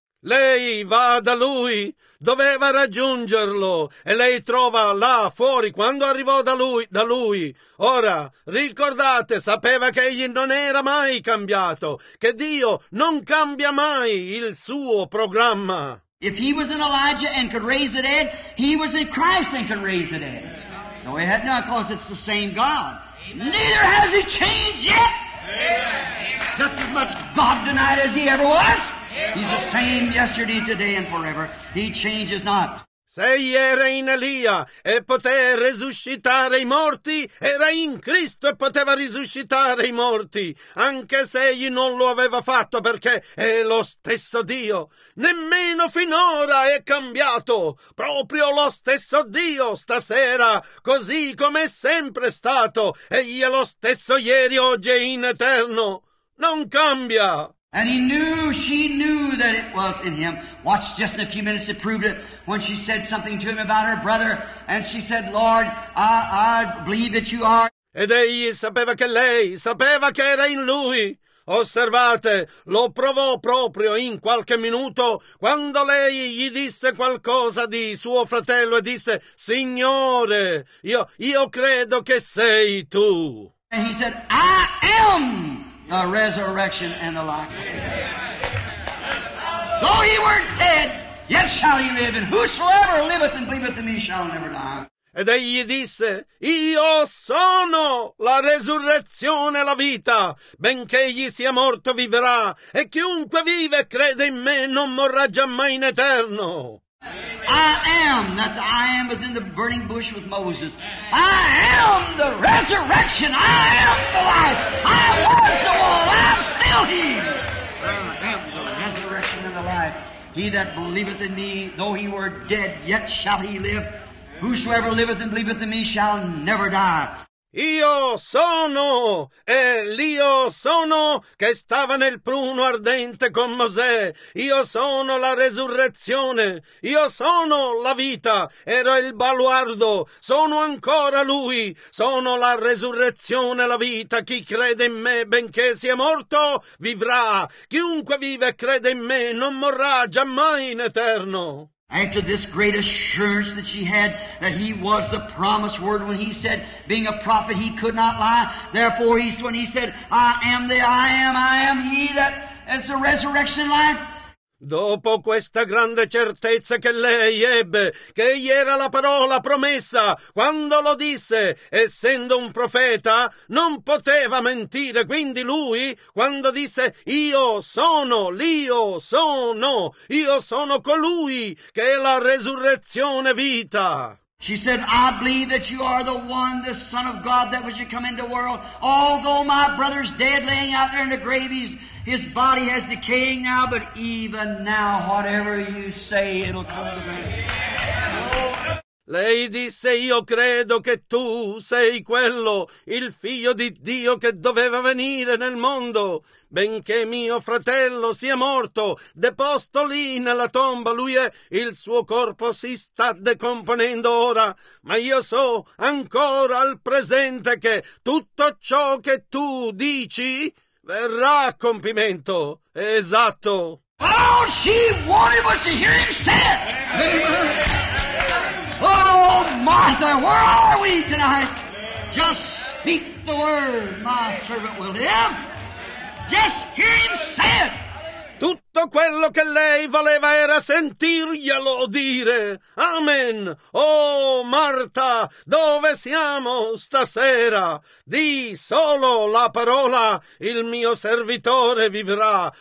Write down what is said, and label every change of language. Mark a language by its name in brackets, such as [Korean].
[Italian] Lei va da lui, doveva raggiungerlo, e lei trova là fuori quando arrivò da lui. Ora, ricordate, sapeva che egli non era mai cambiato, che Dio non cambia mai il suo programma. [English] If he was in Elijah and could raise the dead, he was in Christ and could raise the dead. No, he had not, because it's the same God. Amen. Neither has he changed yet. Amen. Just as much God denied as he ever was. Amen. He's the same yesterday, today, and forever. He changes not. [Italian] Se egli era in Elia e poteva resuscitare i morti, era in Cristo e poteva risuscitare i morti, anche se egli non lo aveva fatto, perché è lo stesso Dio. Nemmeno finora è cambiato, proprio lo stesso Dio stasera, così come è sempre stato. Egli è lo stesso ieri, oggi e in eterno. Non cambia. [English] And he knew, she knew that it was in him. Watch, just in a few minutes it proved it when she said something to him about her brother. And she said, Lord, I believe that you are. [Italian] Ed egli sapeva che lei sapeva che era in lui. Osservate, lo provò proprio in qualche minuto quando lei gli disse qualcosa di suo fratello e disse, Signore, io credo che sei tu. [English] And he said, I am the resurrection and the life. Though he were dead, yet shall he live, and whosoever liveth and believeth in me shall never die. [Italian] Ed egli disse, io sono la resurrezione e la vita, benché egli sia morto vivrà, e chiunque vive e crede in me non morrà giammai in eterno. [English] I am, that's I am as in the burning bush with Moses. I am the resurrection. I am the life. I was the one. I am still he. I am the resurrection and the life. He that believeth in me, though he were dead, yet shall he live. Whosoever liveth and believeth in me shall never die. [Italian] Io sono, e l'io sono che stava nel pruno ardente con Mosè. Io sono la resurrezione, io sono la vita, ero il baluardo, sono ancora lui. Sono la resurrezione, la vita, chi crede in me, benché sia morto, vivrà. Chiunque vive e crede in me, non morrà giammai in eterno. [English] After this great assurance that she had that he was the promised word, when he said, being a prophet, he could not lie. Therefore, when he said, I am he that is the resurrection life. [Italian] Dopo questa grande certezza che lei ebbe, che egli era la parola promessa, quando lo disse, essendo un profeta, non poteva mentire. Quindi lui, quando disse, io sono, l'io sono, io sono colui che è la resurrezione vita. [English] She said, I believe that you are the one, the Son of God, that was to come into the world. Although my brother's dead, laying out there in the grave, his body has decaying now, but even now, whatever you say, it'll come to pass. [Italian] Lei disse, io credo che tu sei quello, il figlio di Dio che doveva venire nel mondo. Benché mio fratello sia morto, deposto lì nella tomba, lui è, il suo corpo si sta decomponendo ora. Ma io so ancora al presente che tutto ciò che tu dici verrà a compimento. Esatto. [English] All she wanted was to hear him say it. Amen. Oh, Martha, where are we tonight? Just speak the word, my servant will live. Just hear him say it. [Italian] Tutto quello che lei voleva era sentirglielo dire. Amen. Oh, Martha, dove siamo stasera? Di solo la parola, il mio servitore vivrà.